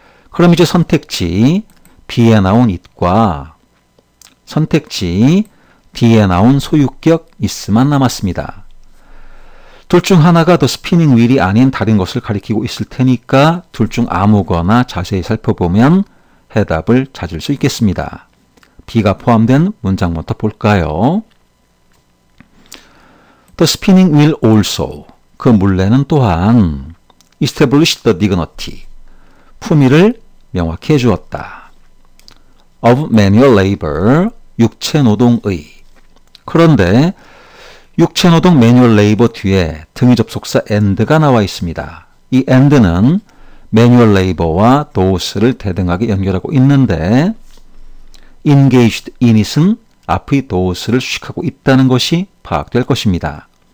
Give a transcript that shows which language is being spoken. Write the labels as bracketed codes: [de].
[ko] 그럼 이제 선택지 B에 나온 it과 선택지 D에 나온 소유격 is만 남았습니다. 둘 중 하나가 the spinning wheel이 아닌 다른 것을 가리키고 있을 테니까 둘 중 아무거나 자세히 살펴보면 해답을 찾을 수 있겠습니다. B가 포함된 문장부터 볼까요? [en] The spinning wheel also, [ko] 그 물레는 또한 [en] established the dignity, [ko] 품위를 명확히 해주었다. [en] Of manual labor, [ko] 육체노동의. 그런데 육체노동 manual labor 뒤에 등위 접속사 and가 나와 있습니다. 이 and는 manual labor와 those를 대등하게 연결하고 있는데 [en] engaged in it [ko] 은 앞의 those를 수식하고 있다는 것이 파악될 것입니다.